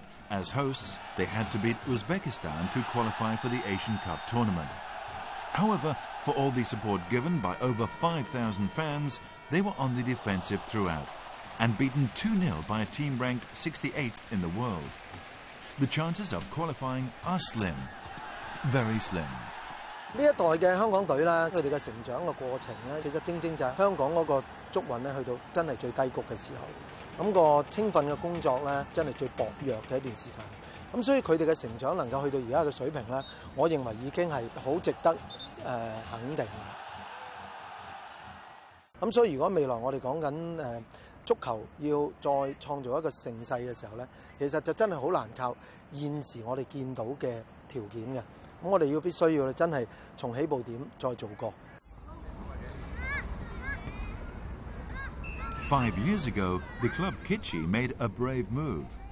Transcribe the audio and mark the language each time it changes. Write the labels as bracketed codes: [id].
[en] As hosts, they had to beat Uzbekistan to qualify for the Asian Cup tournament. However,For all the support given by over 5,000 fans, they were on the defensive throughout and beaten 2-0 by a team ranked 68th in the world. The chances of qualifying are slim, very slim. [yue] 這一代的香港隊，他們的成長的過程，其實正正就是香港的足運去到真的最低谷的時候，那個青訓的工作真的最薄弱的一段時間。所以他們的成長能夠去到現在的水平，我認為已經是很值得肯定。所以如果未來我們講緊足球要再創造一個盛世的時候呢，其實就真的很難靠現時我們見到的條件的。我們要必須要真的從起步點再做過。 [en] 5 years ago, the club Kitchy made a brave move.